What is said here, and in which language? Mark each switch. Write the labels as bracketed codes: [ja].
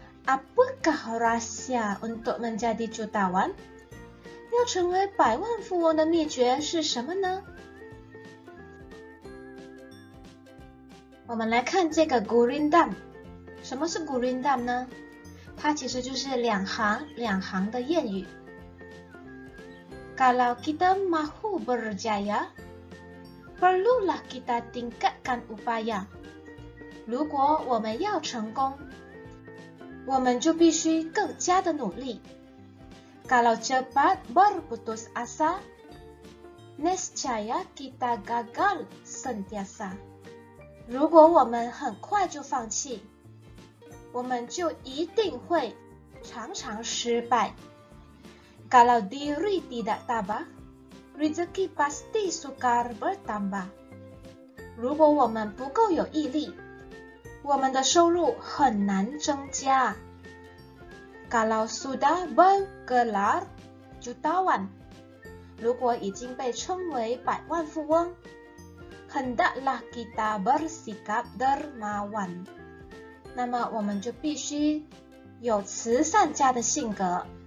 [ms] Apakah rahsia untuk menjadi jutawan? [zh] 要成为百万富翁的秘诀是什么呢？我们来看这个 green dam。什么是 green dam 呢？它其实就是两行两行的谚语。 [ms] Kalau kita mahu berjaya, perlulah kita tingkatkan upaya. [zh] 如果我们要成功，我们就必须更加的努力。 [ms] Kalau cepat berputus asa, nescaya kita gagal sentiasa. [zh] 如果我们很快就放弃，我们就一定会常常失败。 [ms] Kalau diri tidak tabah, rezeki pasti sukar bertambah. [zh] 如果我们不够有毅力，我们的收入很难增加。 [ms] Kalau sudah bergelar jutawan, [zh] 如果已经被称为百万富翁， [ms] hendaklah kita bersikap dermawan. [zh] 那么我们就必须有慈善家的性格。